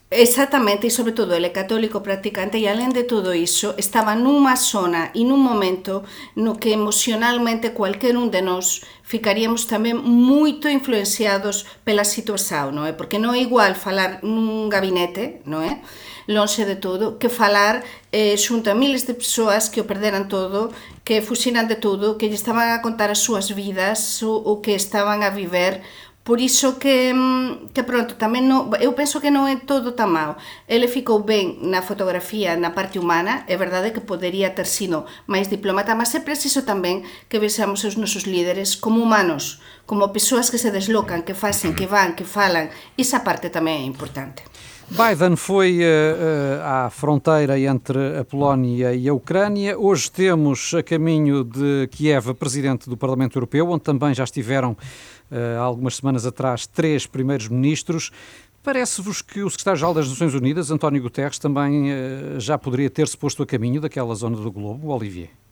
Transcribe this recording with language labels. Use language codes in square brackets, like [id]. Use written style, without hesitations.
[pt] Exatamente, e sobretudo ele é católico praticante, e além de tudo isso, estava numa zona e num momento no que emocionalmente qualquer um de nós ficaríamos também muito influenciados pela situação, não é? Porque não é igual falar num gabinete, não é? [gl] Longe de todo, que falar xunto a miles de persoas que o perderan todo, que fuxiran de todo, que lle estaban a contar as súas vidas, o que estaban a viver. Por iso que pronto, tamén no, eu penso que non é todo tan mau. Ele ficou ben na fotografía, na parte humana, é verdade que poderia ter sido máis diplomata, mas é preciso tamén que vexamos os nosos líderes como humanos, como persoas que se deslocan, que facen, que van, que falan. Esa parte tamén é importante. [pt] Biden foi à fronteira entre a Polónia e a Ucrânia. Hoje temos a caminho de Kiev, presidente do Parlamento Europeu, onde também já estiveram, algumas semanas atrás, três primeiros ministros. Parece-vos que o secretário-geral das Nações Unidas, António Guterres, também já poderia ter-se posto a caminho daquela zona do globo, Olivier?